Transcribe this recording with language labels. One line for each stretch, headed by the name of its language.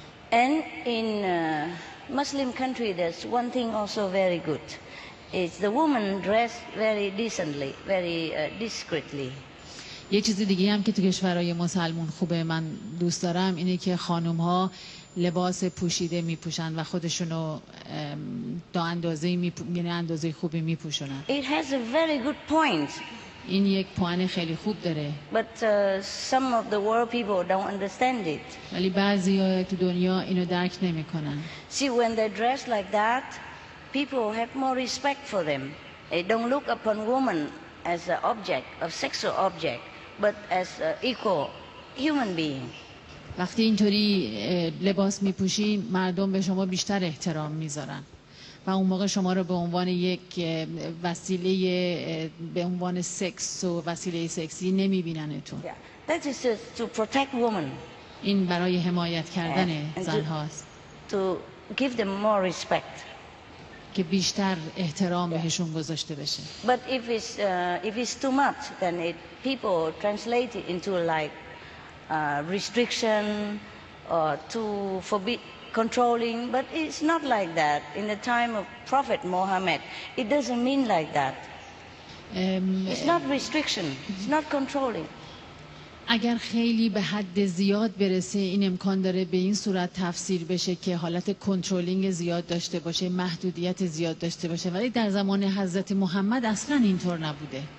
English: And in Muslim country, there's one thing also very good. It's the woman dress very decently, very discreetly.
Persian: یه چیز دیگه هم که تو کشورهای مسلمان خوبه من دوست دارم اینه که خانم‌ها لباس پوشیده میپوشن و خودشونو تا اندازه‌ای یعنی اندازه خوبی میپوشونن.
English: It has a very good point.
Persian: این یک پوان خیلی خوب داره.
English: But some of the world people don't understand it.
Persian: ولی بعضی ها تو دنیا اینو درک نمیکنن.
English: See when they dress like that, people have more respect for them. They don't look upon women as an object, a sexual object, but as an equal human being.
Persian: وقتی اینطوری لباس میپوشی مردم به شما بیشتر احترام میذارن و اون موقع شما رو به عنوان یک وسیله به عنوان سکس و وسیله سکسی نمیبیننتون.
English: That is to protect women.
Persian: این برای حمایت کردن زن هاست.
English: To give them more respect.
Persian: که بیشتر احترام بهشون گذاشته بشه.
English: But if it's too much, then people translate it into like restriction or to forbid controlling, but it's not like that. In the time of Prophet Muhammad, it doesn't mean like that. It's not restriction. It's not controlling.
Persian: اگر خیلی به حد زیاد برسه این امکان داره به این صورت تفسیر بشه که حالت کنترلینگ زیاد داشته باشه، محدودیت زیاد داشته باشه، ولی در زمان حضرت محمد اصلا اینطور نبوده.